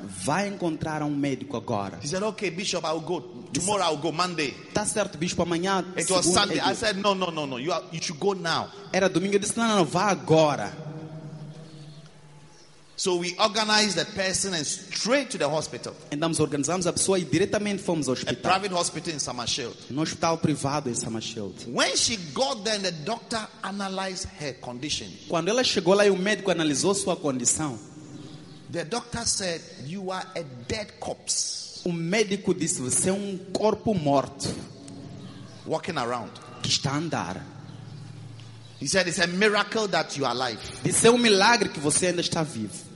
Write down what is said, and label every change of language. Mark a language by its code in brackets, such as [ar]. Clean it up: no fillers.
[pt] Vai encontrar médico agora. [en] He said, okay, Bishop, I'll go. Tomorrow I'll go. Monday. [pt] Tá certo, Bishop, amanhã. [en] It segunda, was Sunday. I said, no. You should go now. [pt] Era domingo. Eu disse, não, vá agora. [en] So we organized the person and straight to the hospital. [pt] Então nós organizamos a pessoa e diretamente fomos ao hospital. [en] A private hospital in Samashield. [pt] No hospital privado em Samashield. [en] When she got there, the doctor analyzed her condition. [pt] Quando ela chegou lá, o médico analisou sua condição. [en] The doctor said, "You are a dead corpse." [pt] O médico disse, você é corpo morto. [en] Walking around. [pt] Que está andar. [en] He said, "It's a miracle that you are alive." [pt] Disse, milagre que você ainda está vivo.